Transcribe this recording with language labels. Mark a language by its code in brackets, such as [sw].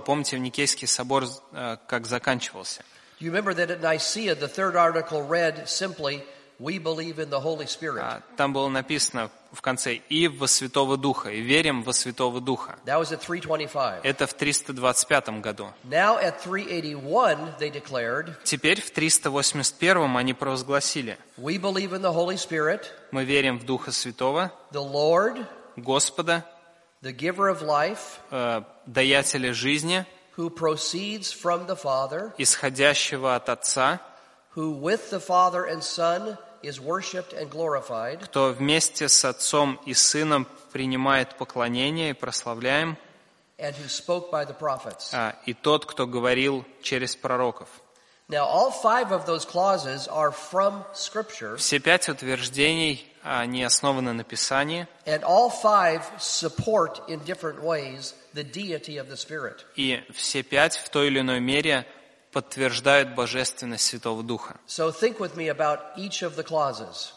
[ru] Помните, Никейский собор как заканчивался? [en] You remember that at Nicaea the third article read simply, "We believe in the Holy Spirit." [ru] Там было написано в конце: и во Святого Духа, и верим во Святого Духа. [en] That was at 325. [ru] Это в 325 году. [en] Now at 381 they declared. [ru] Теперь в 381 они провозгласили: [en] "We believe in the Holy Spirit." [ru] Мы верим в Духа Святого. [en] The Lord. [ru] Господа. [en] The giver of life. [ru] Даятеля жизни. [en] Who proceeds from the Father. [ru] Исходящего от Отца. [en] Who with the Father and Son is worshipped and glorified. [ru] Кто вместе с Отцом и Сыном принимает поклонение и прославляем. [en] And who spoke by the prophets. [ru] И тот, кто говорил через пророков. [en] Now all five of those clauses are from Scripture. [ru] Все пять утверждений, они основаны на Писании. [en] And all five support in different ways the deity of the Spirit. [ru] И все пять в той или иной мере подтверждают божественность Святого Духа. [en] So think with me about each of the clauses.